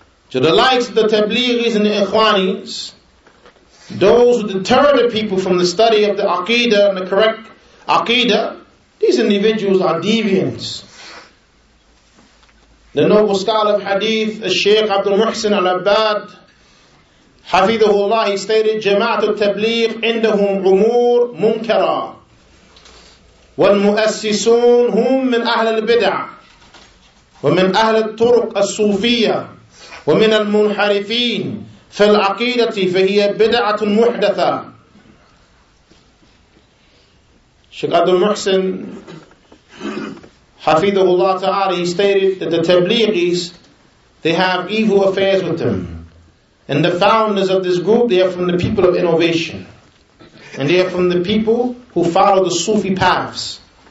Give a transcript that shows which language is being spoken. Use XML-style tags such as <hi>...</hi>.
<en>To the likes of the Tablighis and the Ikhwanis, those who deter the people from the study of the Aqidah and the correct Aqidah, these individuals are deviants. The noble scholar of Hadith, Sheikh Abdul Muhsin Al-Abbad, Hafidhullah, he stated,</en> <ar>جَمَعْتُ التَّبْلِيغِ عِنْدَهُمْ عُمُورٌ مُنْكَرًا وَالْمُؤَسِّسُونَ هُمْ مِنْ أَهْلَ الْبِدْعَةِ وَمِنْ أَهْلَ الطُّرُقِ الصُّوفِيَّةِ ومن المنحرفين في العقيدة فهي بدعة محدثة.</ar> <en>Sheikh Abdul Muhsin Hafidhullah Ta'ala, he stated that the Tablighis, they have evil affairs with them. And the founders of this group, they are from the people of innovation. And they are from the people who follow the Sufi paths.</en>